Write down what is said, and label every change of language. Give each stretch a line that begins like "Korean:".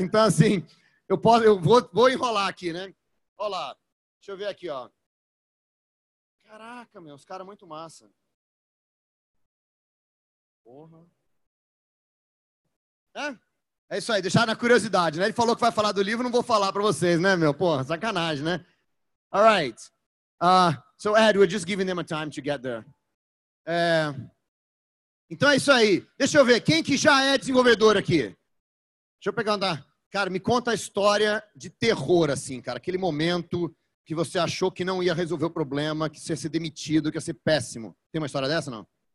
Portuguese: Então, assim, eu vou enrolar aqui, né? Olha lá, deixa eu ver aqui, ó. Caraca, meu, os caras muito massa. Porra. É isso aí, deixar na curiosidade, né? Ele falou que vai falar do livro, não vou falar pra vocês, né, meu? Porra, sacanagem, né?
English: All right. So, Ed, we're just giving them a time to get there.
Portuguese: Então é isso aí. Deixa eu ver, quem que já é desenvolvedor aqui? Deixa eu pegar uma... Cara, me conta a história de terror, assim, cara. Aquele momento... que você achou que não ia resolver o problema, que você ia ser demitido, que ia ser péssimo. Tem uma história dessa, não?